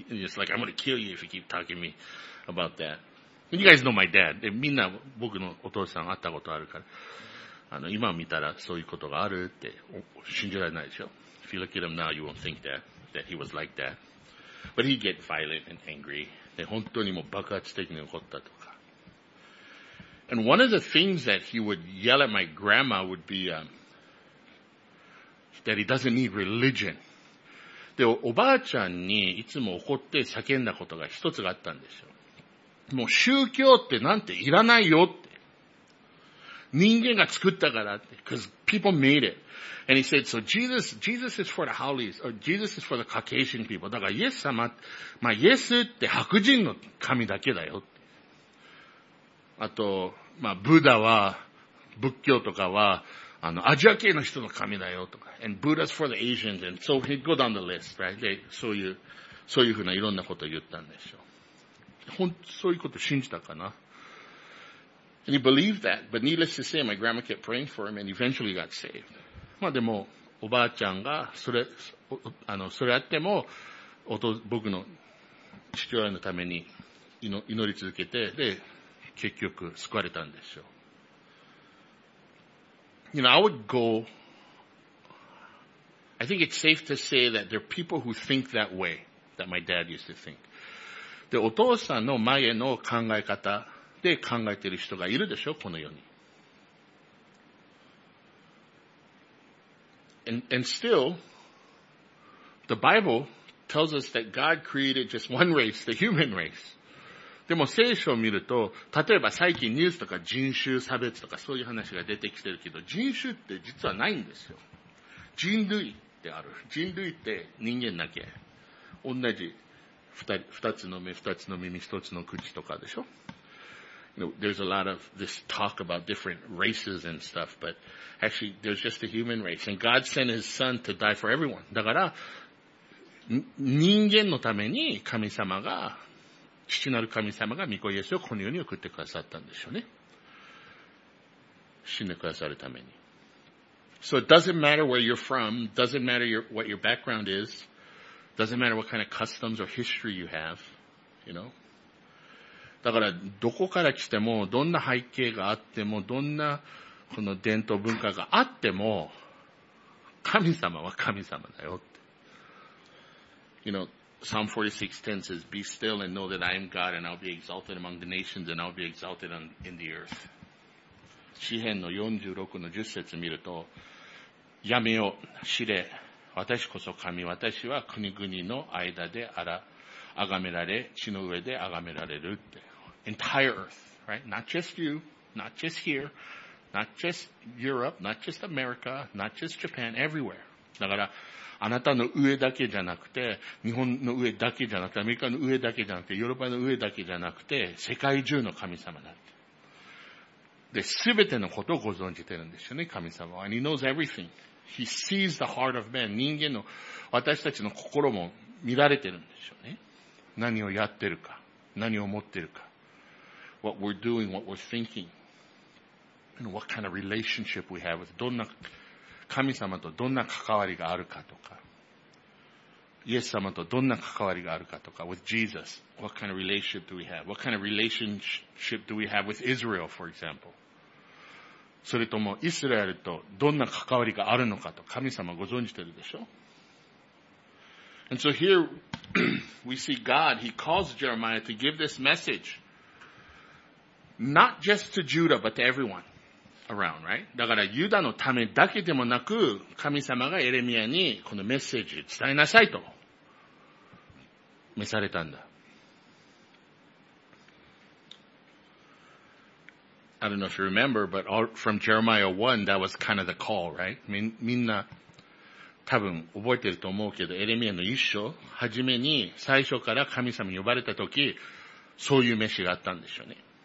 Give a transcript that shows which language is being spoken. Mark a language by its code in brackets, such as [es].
[en] It's like, I'm gonna kill you if you keep talking to me about that. You guys know my dad. [ja] で、みんな僕のお父さん会ったことあるから。今見たらそういうことがあるって信じられないでしょ。 [en] If you look at him now, you won't think that he was like that. But he'd get violent and angry. [ja] で、本当にもう爆発的に怒ったとか。 [en] And one of the things that he would yell at my grandma would be, that he doesn't need religion. [ja] で、おばあちゃんにいつも怒って叫んだことが一つがあったんですよ。もう宗教ってなんていらないよって。人間が作ったからって。 [en] Because people made it. And he said, so Jesus is for the Haoles, or Jesus is for the Caucasian people. [ja] だからイエス様、まあイエスって白人の神だけだよって。あと、まあブダは、仏教とかは、アジア系の人の神だよとか。 [en] And Buddha's for the Asians. And so he'd go down the list, right? [ja] で、そういうふうないろんなことを言ったんですよ。そういうこと信じたかな。 [en] And he believed that. But needless to say, my grandma kept praying for him and eventually got saved. [ja] まあでも、おばあちゃんが、それあっても、僕の父親のために祈り続けて、で、結局救われたんですよ。 [en] You know, I would go, I think it's safe to say that there are people who think that way, that my dad used to think. [ja] で、お父さんの前の考え方で考えてる人がいるでしょ、この世に。 [en] And still, the Bible tells us that God created just one race, the human race. [ja] でも聖書を見ると、例えば最近ニュースとか人種差別とかそういう話が出てきてるけど、人種って実はないんですよ。人類ってある。人類って人間だけ。同じ二つの目、二つの耳、一つの口とかでしょ。 [en] You know, there's a lot of this talk about different races and stuff, but actually there's just a human race. And God sent his son to die for everyone. [ja] だから、人間のために神様が父なる神様が御子イエスをこの世に送ってくださったんでしょうね。死んでくださるために。 [en] So it doesn't matter where you're from, doesn't matter what your background is, doesn't matter what kind of customs or history you have, you know. [ja] だから、どこから来ても、どんな背景があっても、どんなこの伝統文化があっても、神様は神様だよって。 [en] You know,Psalm 46:10 says, be still and know that I am God and I'll be exalted among the nations and I'll be exalted in the earth. [ja] 詩編の46の10節見ると、やめよ、知れ、私こそ神、私は国々の間であら、あがめられ、地の上であがめられるって。 [en] Entire earth, right? Not just you, not just here, not just Europe, not just America, not just Japan, everywhere. [ja] だから、あなたの上だけじゃなくて、日本の上だけじゃなくて、アメリカの上だけじゃなくて、ヨーロッパの上だけじゃなくて、世界中の神様だって。で、すべてのことをご存じてるんですよね、神様は。 [en] And he knows everything. He sees the heart of man. [ja] 人間の、私たちの心も見られてるんですよね。何をやってるか。何を思ってるか。 [en] What we're doing, what we're thinking. And what kind of relationship we have with [ja] どんな、神様とどんな関わりがあるかとか、 [en] イエス様とどんな関わりがあるかとか、with Jesus, what kind of relationship do we have? What kind of relationship do we have with Israel, for example? [ja] それとも、イスラエルとどんな関わりがあるのかと、神様ご存じてるでしょ? [en] And so here, we see God, he calls Jeremiah to give this message, not just to Judah, but to everyone. Around, right? [ja] だから、ユダのためだけでもなく、神様がエレミアにこのメッセージ伝えなさいと、召されたんだ。 [en] I don't know if you remember, but from Jeremiah 1, that was kind of the call, right? みんな、 [ja] 多分覚えてると思うけど、エレミアの一章、はじめに最初から神様に呼ばれた時、そういうメッセージがあったんでしょうね。